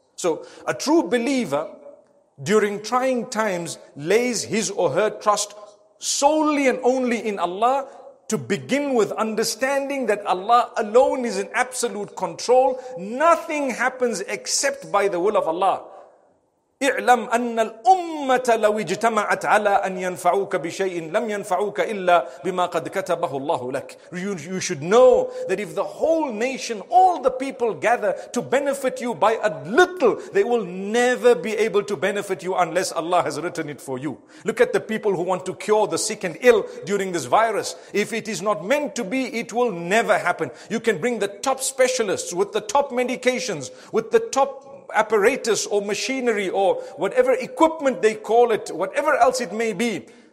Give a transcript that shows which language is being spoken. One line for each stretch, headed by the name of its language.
English: So a true believer, during trying times, lays his or her trust solely and only in Allah, to begin with understanding that Allah alone is in absolute control. Nothing happens except by the will of Allah.
Arabic: اعلم أن الأمة لو اجتمعت على أن ينفعوك بشيء لم ينفعوك إلا بما قد كتبه الله لك.
English: You should know that if the whole nation, all the people gather to benefit you by a little, they will never be able to benefit you unless Allah has written it for you. Look at the people who want to cure the sick and ill during this virus. If it is not meant to be, it will never happen. You can bring the top specialists with the top medications, with the top apparatus or machinery or whatever equipment they call it, whatever else it may be.